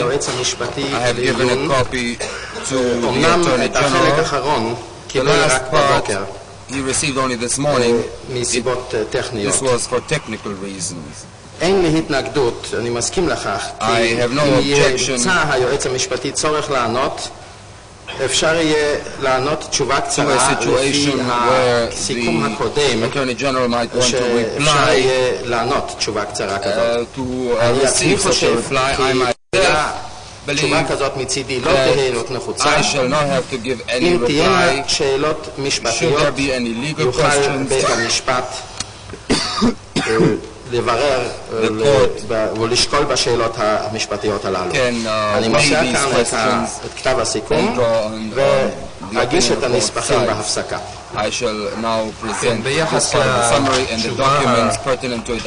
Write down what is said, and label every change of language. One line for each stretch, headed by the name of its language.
English: I have given a copy to the Attorney General. The last part he received only this morning. This was for technical reasons.
Hebrew: אין לי התנגדות, אני מסכים לכך,
English: I have no objection.
Hebrew: כי אם יצא היועץ המשפטי צורך לענות, אפשר יהיה לענות תשובה קצרה לפי הסיכום הקודם, שאפשר יהיה לענות תשובה קצרה כזאת. אני עצמי חושב, כי תשובה כזאת מצידי לא תהיה להיות נחוצה. אם תהיה שאלות משפטיות, יוכל בית המשפט לברר ולשקול בשאלות המשפטיות הללו. אני מושא כאן את כתב הסיכום ואגיש את הנספחים בהפסקה.
English: I shall now present the summary and the documents pertinent to it.